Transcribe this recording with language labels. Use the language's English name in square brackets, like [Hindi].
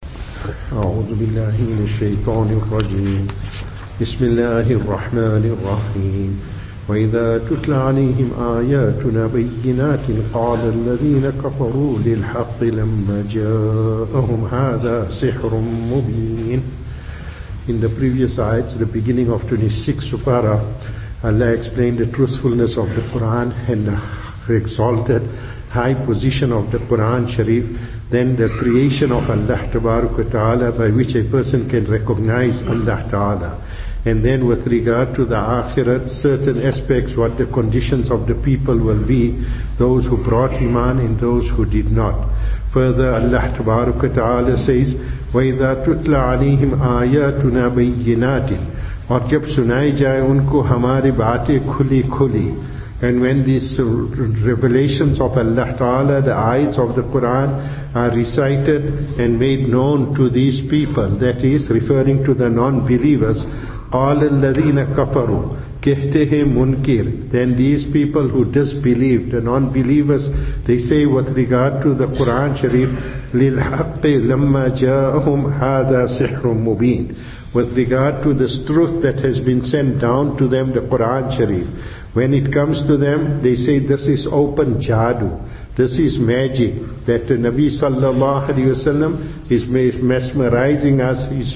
[Arabic] أعوذ بالله من الشيطان الرجيم. بسم الله الرحمن الرحيم. وإذا تتلى عليهم آياتنا بينات قال الذين كفروا للحق لما جاءهم هذا سحر مبين. [English] In the previous ayats, the beginning of 26 Supara, Allah explained the truthfulness of the Quran and the exalted high position of the Quran Sharif, then the creation of Allah Tabaraka Ta'ala by which a person can recognize Allah Ta'ala. And then with regard to the Akhirat, certain aspects, what the conditions of the people will be, those who brought Iman and those who did not. Further, Allah Tabaraka Ta'ala says, [Arabic] وَإِذَا تُتْلَ عَلَيْهِمْ آيَاتُنَا بَيِّنَاتٍ [Urdu] اور جب سنائے جائے ان کو ہماری باتیں کھلی کھلی. [English] And when these revelations of Allah Ta'ala, the ayats of the Quran, are recited and made known to these people, that is, referring to the non-believers, [Arabic] قَالَ الَّذِينَ كَفَرُوا [Urdu] كَهْتَ هِمْ مُنْكِرٍ, [English] then these people who disbelieve, the non-believers, they say with regard to the Quran Sharif, [Arabic] لِلْحَقِّ لَمَّا جَاءَهُمْ هَذَا سِحْرٌ مُبِينٌ, [English] with regard to this truth that has been sent down to them, the Quran Sharif, when it comes to them, they say this is open jadu, this is magic, that the Nabi sallallahu alayhi wa sallam is mesmerizing us,